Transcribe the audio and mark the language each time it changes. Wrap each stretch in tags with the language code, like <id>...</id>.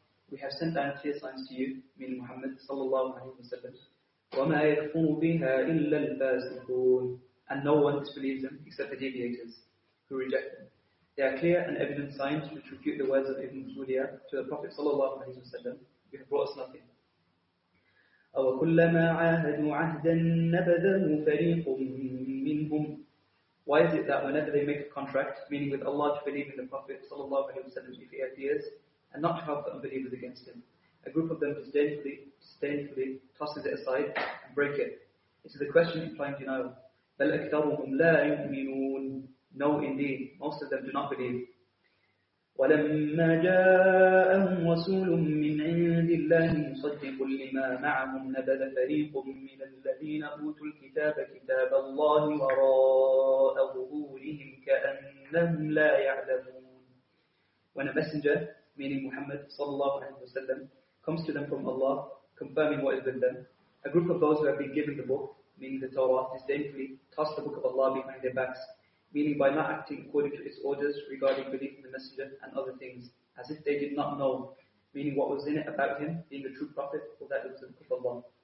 <en>We have sent down clear signs to you, meaning Muhammad sallallahu alayhi wa sallam.</en> <ar>وَمَا يَكْفُرُ بِهَا إِلَّا الْفَاسِقُونَ.</ar> <en>and no one disbelieves them except the deviators who reject them. They are clear and evident signs which refute the words of Ibn Suliya to the Prophet sallallahu alaihi wasallam. You have brought us nothing.</en> <ar>أو كلما عاهدوا عهدا نبذه فريق منهم.</ar> <en>Why is it that whenever they make a contract, meaning with Allah to believe in the Prophet sallallahu alaihi wasallam, if he appears, and not to help the unbelievers against him, a group of them disdainfully tosses it aside and break it? It is a question implying denial.</en> <ar>بل أكثرهم لا يؤمنون.</ar> <en>No, indeed, most of them do not believe.</en> <ar>ولما جاءهم رسول من عند الله مصدق لما معهم نبذ فريق من الذين أوتوا الكتاب كتاب الله وراء ظهورهم كأنهم لا يعلمون.</ar> <en>When a messenger, meaning Muhammad sallallahu alaihi wasallam, comes to them from Allah, confirming what is with them, a group of those who have been given the book, meaning the Torah, disdainfully toss the book of Allah behind their backs, meaning by not acting according to its orders regarding belief in the Messenger and other things, as if they did not know, meaning what was in it about him being a true prophet or that it was a book of Allah.</en>